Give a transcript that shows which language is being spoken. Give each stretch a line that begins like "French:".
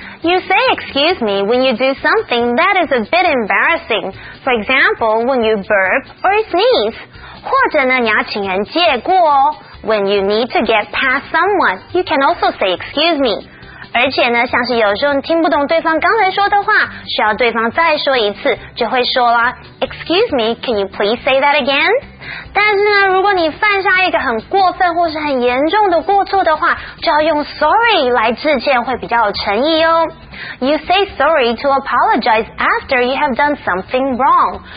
English: You say excuse me when you do something that is a bit embarrassing. For example, when you burp or sneeze.
Chinese: 或者呢，你要请人借过哦。
English: When you need to get past someone, you can also say excuse me.
Chinese: 而且呢，像是有时候你听不懂对方刚才说的话，需要对方再说一次，就会说啦 ，
English: Excuse me, can you please say that again?
Chinese: 但是呢，如果你犯下一个很过分或是很严重的过错的话，就要用 sorry 来致歉，会比较有诚意哦。
English: You say sorry to apologize after you have done something wrong.